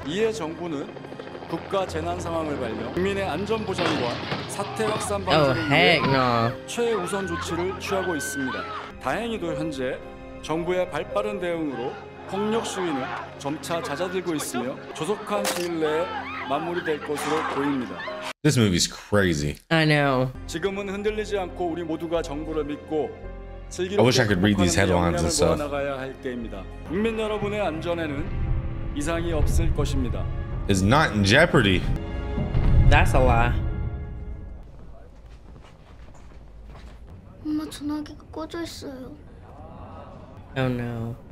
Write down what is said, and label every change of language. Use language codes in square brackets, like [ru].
[ko] 이에 정부는 국가 재난 상황을 발령 국민의 안전 보장과 사태 확산 방지를 위해 최우선 조치를 취하고 있습니다. 다행히도 현재 정부의 발빠른 대응으로 폭력 시위는 점차 잦아들고 있으며 조속한 시일 내에 마무리될 것으로 보입니다. [en] This movie is crazy. I know. [ko] 지금은 흔들리지 않고 우리 모두가 정부를 믿고 [en] I wish I could read these headlines and stuff. [ko] 나가야 할 때입니다. 국민 여러분의 안전에는 이상이 없을 것입니다. [en] Is not in jeopardy. That's a lie. [ko] 엄마 전화기가 꺼져 있어요. [en] Oh no.